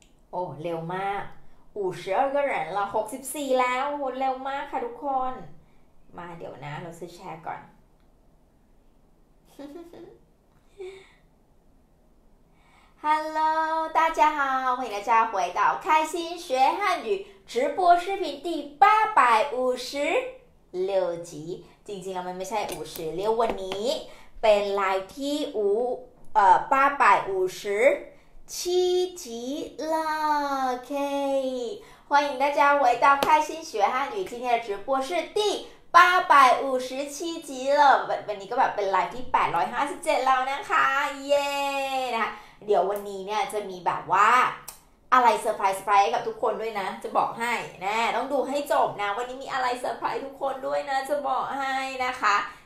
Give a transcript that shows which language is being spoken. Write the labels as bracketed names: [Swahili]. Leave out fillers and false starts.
[Thai] โอ้เร็วมาก52 คนละ64แล้วโหเร็วมากค่ะทุกคนมาเดี๋ยวนะเราซื้อแชร์ก่อน [Chinese] Hello，大家好，欢迎大家回到开心学汉语直播视频第856集。 [Thai] จริงๆเราไม่ใช่56วันนี้เป็นรายที่857 [Chinese] 集了。 OK，欢迎大家回到开心学汉语，今天的直播是第857集了。 [Thai] วันนี้ก็แบบเป็นรายที่857แล้วนะคะ，เย้นะเดี๋ยววันนี้เนี่ยจะมีแบบว่าอะไรเซอร์ไพรส์ให้กับทุกคนด้วยนะจะบอกให้นะต้องดูให้จบนะวันนี้มีอะไรเซอร์ไพรส์ทุกคนด้วยนะจะบอกให้นะคะ